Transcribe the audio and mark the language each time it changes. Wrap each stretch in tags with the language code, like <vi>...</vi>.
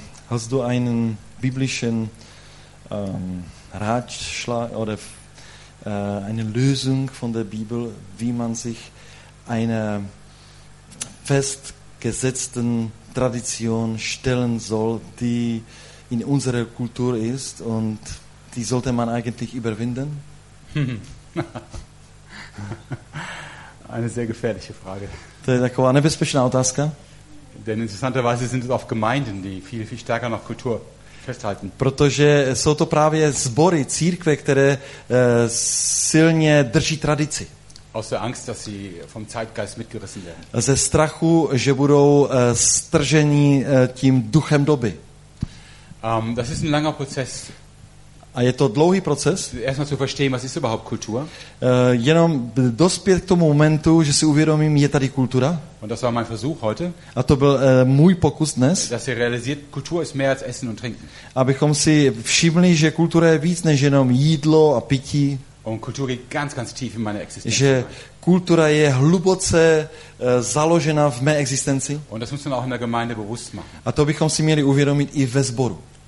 <de>Hast du einen biblischen Ratschlag oder eine Lösung von der Bibel, wie man sich einer festgesetzten Tradition stellen soll, die in unserer Kultur ist und die sollte man eigentlich überwinden? Eine sehr gefährliche Frage. Eine bisschen Autaska. Denn interessanterweise sind es oft Gemeinden, die viel, viel stärker noch Kultur festhalten.</de> <cs>Protože jsou to právě sbory, církve, které silně drží tradici.</cs> <de>Aus der Angst, dass sie vom Zeitgeist mitgerissen werden.</de> <cs>Ze strachu, že budou strženi tím duchem doby.</cs> <de>Das ist ein langer Prozess.</de> <cs>A je to dlouhý proces.</cs> <de>Erstmal zu verstehen, was ist überhaupt Kultur.</de> <cs>Jenom dospět k tomu momentu, že si uvědomím, je tady kultura.</cs> <de>Und das war mein Versuch heute.</de> <cs>A to byl můj pokus dnes.</cs> <de>Dass ihr realisiert, Kultur ist mehr als Essen und Trinken.</de> <cs>Abychom si všimli, že kultura je víc než jenom jídlo a pití.</cs> <de>Und Kultur geht ganz, ganz tief in meine Existenz.</de> <cs>Že kultura je hluboce založena v mé existenci.</cs> <de>Und das muss man auch in der Gemeinde bewusst machen.</de> <cs>A to bychom si měli uvědomit i ve sboru.</cs>